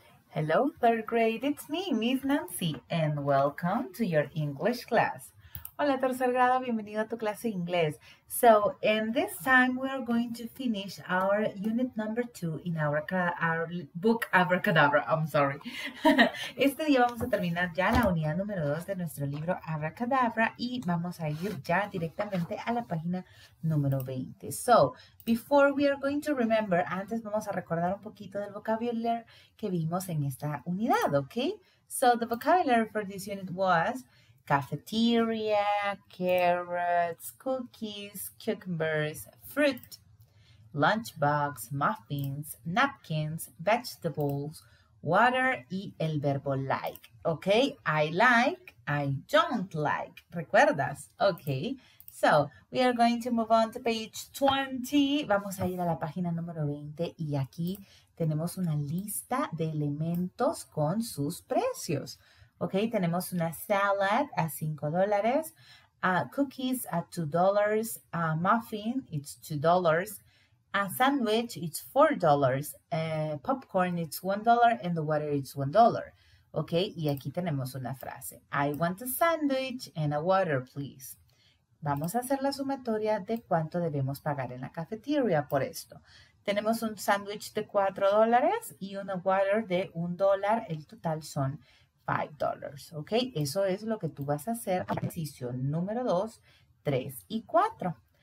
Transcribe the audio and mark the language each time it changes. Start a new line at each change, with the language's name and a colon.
English: Hello, third grade, it's me, Miss Nancy, and welcome to your English class.
Spanish: Hola, tercer grado, bienvenido a tu clase de inglés.
English: So, in this time, we are going to finish our unit number 2 in our book, Abracadabra, I'm sorry.
Spanish: Este día vamos a terminar ya la unidad número 2 de nuestro libro, Abracadabra, y vamos a ir ya directamente a la página número 20.
English: So, before we are going to remember,
Spanish: antes vamos a recordar un poquito del vocabulary que vimos en esta unidad, ¿ok?
English: So, the vocabulary for this unit was cafeteria, carrots, cookies, cucumbers, fruit, lunchbox, muffins, napkins, vegetables, water
Spanish: y el verbo
English: like. Ok, I like, I don't like.
Spanish: ¿Recuerdas?
English: Ok, so we are going to move on to page 20.
Spanish: Vamos a ir a la página número 20 y aquí tenemos una lista de elementos con sus precios. Ok, tenemos una salad a $5, cookies a $2, a muffin, it's $2, a sandwich, it's $4, popcorn, it's $1, and the water, it's $1.
English: Ok,
Spanish: y aquí tenemos una frase.
English: I want a sandwich and a water, please.
Spanish: Vamos a hacer la sumatoria de cuánto debemos pagar en la cafetería por esto. Tenemos un sandwich de $4 y una water de $1. El total son $5, ¿ok? Eso es lo que tú vas a hacer en ejercicio número 2, 3 y 4.